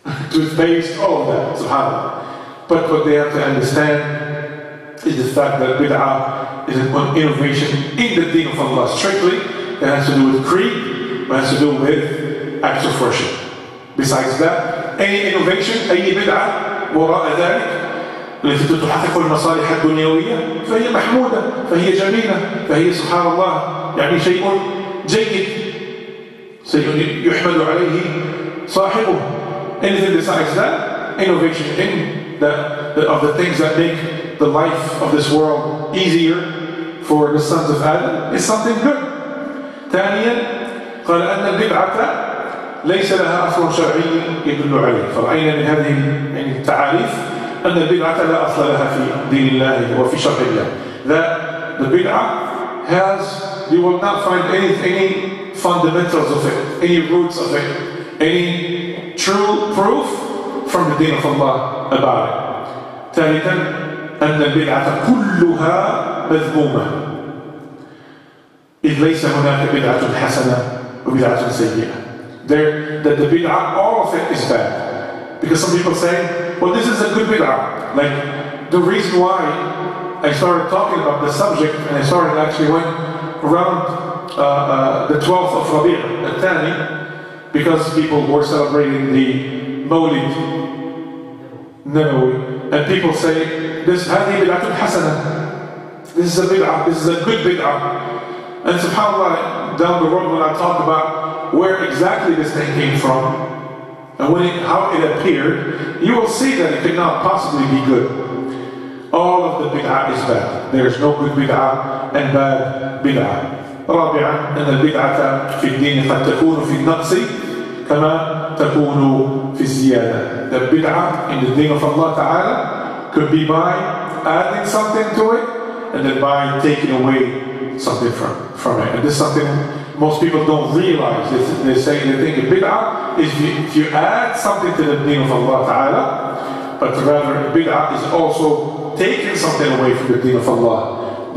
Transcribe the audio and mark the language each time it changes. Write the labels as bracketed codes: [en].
[en] Toothpaste, all of that, subhanAllah. But what they have to understand is the fact that bid'ah is an innovation in the deen of Allah strictly. It has to do with creed, but it has to do with acts of worship. Besides that, any innovation, any bid'ah, [ar] وراء ذلك, التي تحقق المصالح الدنيوية, فهي محمودة, فهي جميلة, فهي سبحان الله, يعني شيء جيد, شيء يحمد عليه صاحبه. [en] Anything besides that, innovation in of the things that make the life of this world easier for the sons of Adam is something good. [ar] ثانيا, قال أن البدعة ليس لها أصل شرعي يدل عليه. فرأينا من هذه التعاريف أن البدعة لا أصل لها في دين الله وفي شرع الله. [en] That the bid'ah has, you will not find any fundamentals of it, any roots of it, any true proof from the deen of Allah about it. [ar] ثالثا, أن البدعة كلها مذمومة. إذ ليس هناك بدعة حسنة وبدعة سيئة. [en] There, that the bid'ah, all of it is bad. Because some people say, well, this is a good bid'ah. Like, the reason why I started talking about this subject, and I started actually went around the 12th of Rabi' al-Thani, because people were celebrating the Mawlid Nabawi, and people say, this [ar] hadhi bid'ah hasana. [en] This is a bid'ah, this is a good bid'ah. And subhanAllah, down the road when I talk about where exactly this thing came from, and when it, how it appeared, you will see that it could not possibly be good. All of the bid'ah is bad. There is no good bid'ah and bad bid'ah. [ar] رابعا, أن البدعة في الدين قد تكون في النقص كما تكون في الزيادة. [en] The bid'ah in the deen of Allah Ta'ala could be by adding something to it and then by taking away something from it. And this is something most people don't realize. They say, they think a bid'ah is if you add something to the deen of Allah Ta'ala, but rather a bid'ah is also taking something away from the deen of Allah.